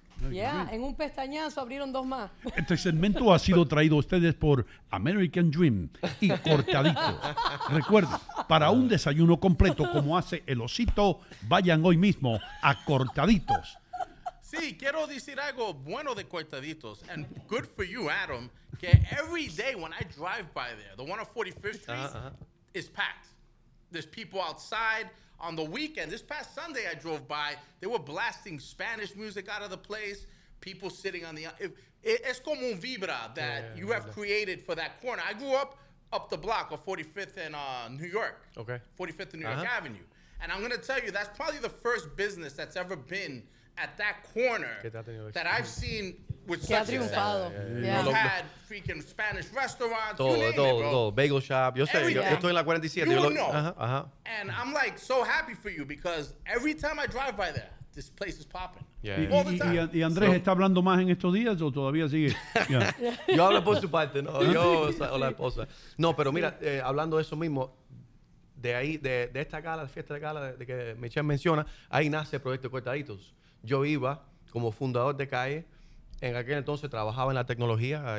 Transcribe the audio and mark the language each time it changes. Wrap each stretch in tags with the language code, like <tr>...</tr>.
<es>Yeah, en un pestañazo abrieron dos más. Este segmento ha sido traído a ustedes por American Dream y Cortaditos. Recuerden, para un desayuno completo como hace el osito, vayan hoy mismo a Cortaditos. Sí, quiero decir algo bueno de Cortaditos.</es> <en>And good for you, Adam, que every day when I drive by there, the one on 45th Street is packed. There's people outside. On the weekend, this past Sunday, I drove by. They were blasting Spanish music out of the place. People sitting on the...</en> <es>Es como un vibra</es> <en>that you have created for that corner. I grew up the block of 45th and New York. Okay. 45th and New York Avenue. And I'm going to tell you, that's probably the first business that's ever been at that corner that I've seen with such success. Yeah. Had freaking Spanish restaurants. Bagel shop.</en> <es>Yo estoy en la 47.</es> <en>And I'm like so happy for you because every time I drive by there, this place is popping.</en> <es>Y Andrés está hablando más en estos días o todavía sigue. Yo hablo por su parte, ¿no? Yo o la esposa. No, pero mira, hablando de eso mismo, de ahí, de esta gala, la fiesta de gala de que Michelle menciona, ahí nace el proyecto Cortaditos. Yo iba como fundador de Calle. En aquel entonces trabajaba en la tecnología.</es>